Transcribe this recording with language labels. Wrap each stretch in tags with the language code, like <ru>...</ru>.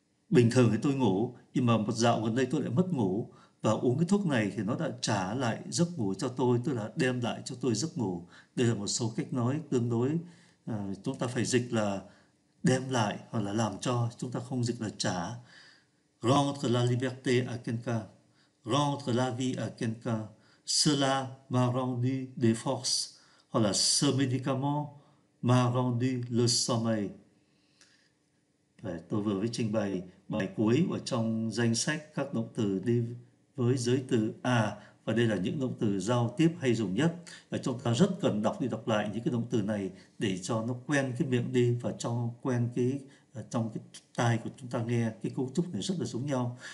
<vi>Bình thường thì tôi ngủ, nhưng mà một dạo gần đây tôi lại mất ngủ. Và uống cái thuốc này thì nó đã trả lại giấc ngủ cho tôi, tức là đem lại cho tôi giấc ngủ. Đây là một số cách nói tương đối. Chúng ta phải dịch là đem lại hoặc là làm cho, chúng ta không dịch là trả.</vi> <fr>Rendre la liberté à quelqu'un, rendre la vie à quelqu'un, cela m'a rendu des forces,</fr> <vi>hoặc là</vi> <fr>ce médicament m'a rendu le sommeil.</fr> <vi>Và tôi vừa mới trình bày bài cuối ở trong danh sách các động từ đi với giới từ à, và đây là những động từ giao tiếp hay dùng nhất, và chúng ta rất cần đọc đi đọc lại những cái động từ này để cho nó quen cái miệng đi, và cho quen cái trong cái tai của chúng ta nghe cái cấu trúc này rất là giống nhau.</vi>